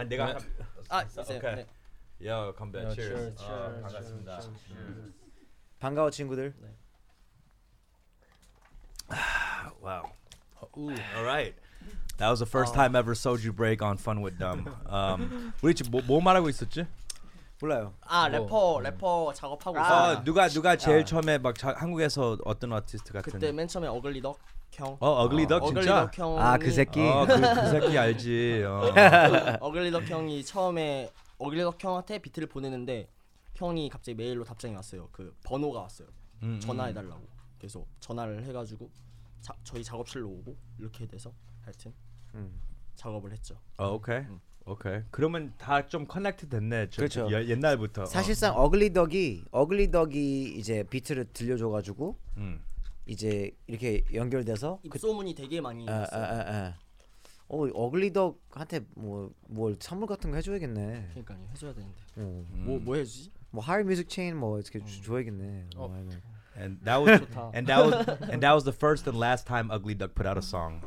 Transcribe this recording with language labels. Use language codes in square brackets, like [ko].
[ko] 아, 내가 아, 있어. 오케이. [en] Okay. Yo, come back. Cheers. [ko] 반갑습니다. 반가워 친구들. [en] Wow. Ooh. All right. That was the first time ever soju break on Fun with Dumb. [ko] 우리 지금 뭐 말하고 있었지? 몰라요. 아, 래퍼 작업하고 있어. 누가 제일 처음에 막 한국에서 어떤 아티스트 같은? 그때 맨 처음에 어글리 덕 형. 어글리 덕 진짜? 어글리 덕 형. 아, 그 새끼. 그 새끼 알지. 어글리 덕 형이 처음에 어글리 덕 형한테 비트를 보내는데 형이 갑자기 메일로 답장이 왔어요. 그 번호가 왔어요. 전화해 달라고. 그래서 전화를 해 가지고 저희 작업실로 오고 이렇게 돼서 하여튼 작업을 했죠. 오케이. 오케이. 그러면 다 좀 커넥트 됐네. 그렇죠. 옛날부터. 사실상 어글리 덕이 이제 비트를 들려줘 가지고 이제 이렇게 연결돼서 입소문이 되게 많이 있어요. 어글리 덕한테 뭐뭘 선물 같은 거 해 줘야겠네. 그러니까요. 해 줘야 되는데. 뭐 해 주지? 뭐 하이 뮤직 체인 뭐 이렇게 줘야겠네. [en] And that was the first and last time Ugly Duck put out a song.